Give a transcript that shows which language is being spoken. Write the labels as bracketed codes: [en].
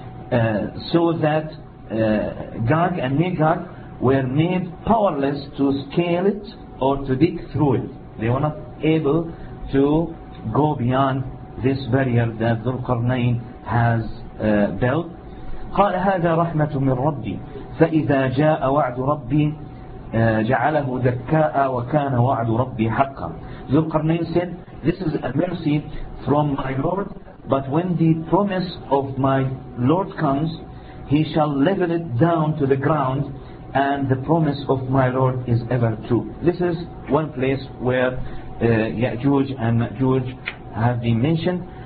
[en] so that Gog and Magog were made powerless to scale it or to dig through it. They were not able to go beyond this barrier that Dhulqarnain has built. [ar] قال هذا رحمة من ربي فإذا جاء وعد ربي جعله دكاء وكان وعد ربي حقا. [en] Dhulqarnain said, this is a mercy from my Lord, but when the promise of my Lord comes, he shall level it down to the ground, and the promise of my Lord is ever true. This is one place where Ya'juj and Ma'juj have been mentioned.